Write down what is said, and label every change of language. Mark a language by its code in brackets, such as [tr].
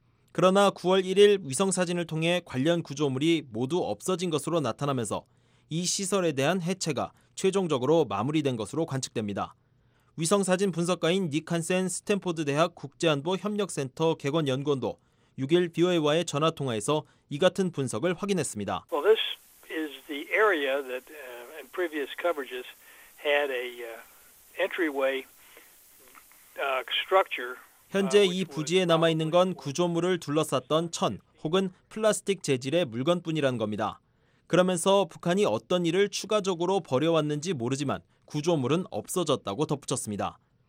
[ko] 그러나 9월 1일 위성사진을 통해 관련 구조물이 모두 없어진 것으로 나타나면서 이 시설에 대한 해체가 최종적으로 마무리된 것으로 관측됩니다. 위성사진 분석가인 닉 한센 스탠포드 대학 국제안보협력센터 객원연구원도 6일 BOA와의 전화통화에서 이 같은 분석을 확인했습니다. [en] Well, this is the area that in previous coverages had a entryway structure. [ko] 현재 이 부지에 남아 있는 건 구조물을 둘러쌌던 천 혹은 플라스틱 재질의 물건뿐이라는 겁니다. 그러면서 북한이 어떤 일을 추가적으로 벌여왔는지 모르지만 구조물은 없어졌다고 덧붙였습니다.